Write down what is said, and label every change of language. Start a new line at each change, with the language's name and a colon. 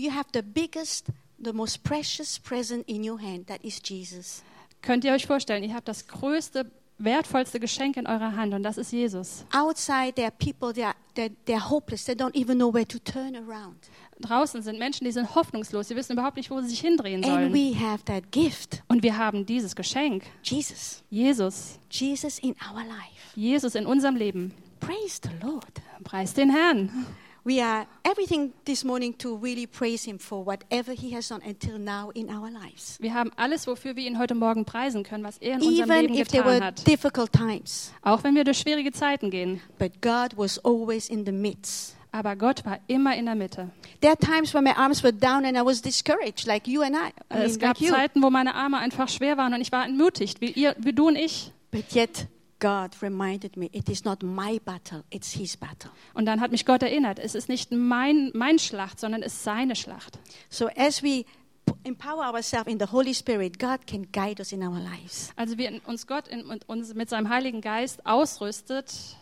English: You have the biggest, the most precious present in your hand. That is Jesus.
German: Könnt ihr euch vorstellen? Ihr habt das größte, wertvollste Geschenk in eurer Hand und das ist Jesus.
English: Outside there are people they're hopeless. They don't even know where to turn around.
German: Draußen sind Menschen, die sind hoffnungslos. Sie wissen überhaupt nicht, wo sie sich hindrehen sollen.
English: And we have that gift.
German: Und wir haben dieses Geschenk.
English: Jesus.
German: Jesus.
English: Jesus in our life.
German: Jesus in unserem Leben.
English: Praise the Lord.
German: Preist den Herrn.
English: We are everything this morning to really praise him for whatever he has done until now in our lives.
German: Wir haben alles, wofür wir ihn heute Morgen preisen können, was er in unserem Leben getan hat.
English: Even if there were difficult times.
German: Auch wenn wir durch schwierige Zeiten gehen.
English: But God was always in the midst.
German: Aber Gott war immer in der Mitte.
English: There are times when my arms were down and I was discouraged, like you and I.
German: Es gab Zeiten, wo meine Arme einfach schwer waren und ich war entmutigt, wie ihr, wie du und ich.
English: But yet God reminded me, it is not my battle, it's his battle.
German: Und dann hat mich Gott erinnert, es ist nicht mein Schlacht, sondern es ist seine Schlacht.
English: So as we empower ourselves in the Holy Spirit, God can guide us in our lives.
German: Also wie uns Gott uns mit seinem Heiligen Geist ausrüstet,